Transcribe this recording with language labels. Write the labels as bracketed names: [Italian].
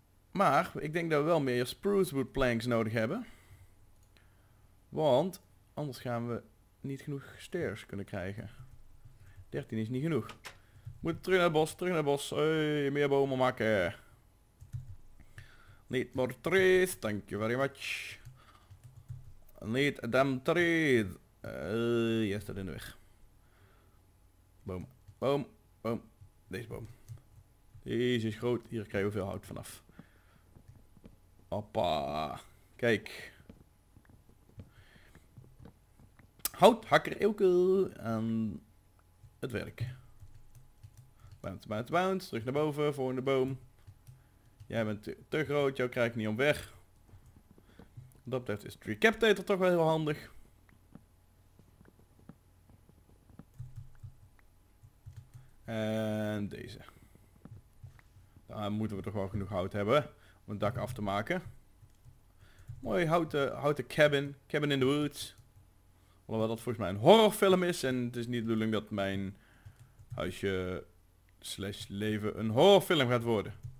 [Dutch] Maar ik denk dat we wel meer spruce wood planks nodig hebben. Want anders gaan we niet genoeg stairs kunnen krijgen. 13 is niet genoeg. Moet terug naar het bos, terug naar het bos. Hey, meer bomen maken. [English] Need more trees, thank you very much. Need a damn tree. [Dutch] Je staat in de weg. Boom, boom, boom. Deze boom. Deze is groot, hier krijgen we veel hout vanaf. Hoppa, kijk. Houthakker Eelke aan het werk. Bounce, bounce, bounce. Terug naar boven, volgende boom. Jij bent te groot, jou krijg ik niet omweg. Wat dat betreft is Tree Captator toch wel heel handig. En deze. Daar moeten we toch wel genoeg hout hebben om het dak af te maken. mooie houten [English] cabin in the woods. [Dutch] Alhoewel dat volgens mij een horrorfilm is en het is niet de bedoeling dat mijn huisje slash leven een horrorfilm gaat worden.